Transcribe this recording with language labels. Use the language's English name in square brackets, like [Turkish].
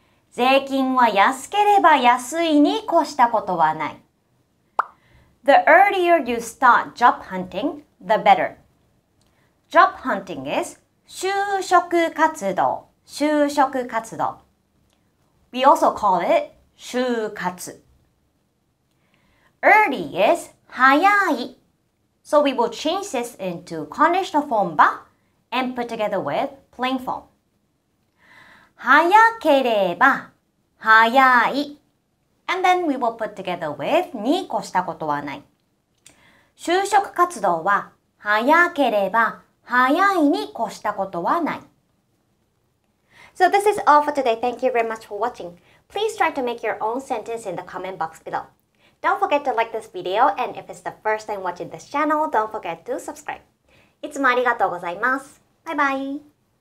[Japanese] 税金は安ければ安いに越したことはない。 [English] The earlier you start job hunting, the better. Job hunting is [Japanese] 就職活動、就職活動。 [English] We also call it [Japanese] 就活。 [English] Early is [Japanese] 早い。 [English] So we will change this into conditional form ba and put together with plain form. [Japanese] 早ければ早い。 [English] And then we will put together with [Japanese] に越したことはない。就職活動は早ければ早いに越したことはない。 [English] So this is all for today. Thank you very much for watching. Please try to make your own sentence in the comment box below. Don't forget to like this video, and if it's the first time watching this channel, don't forget to subscribe. [Japanese] いつもありがとうございます。バイバイ。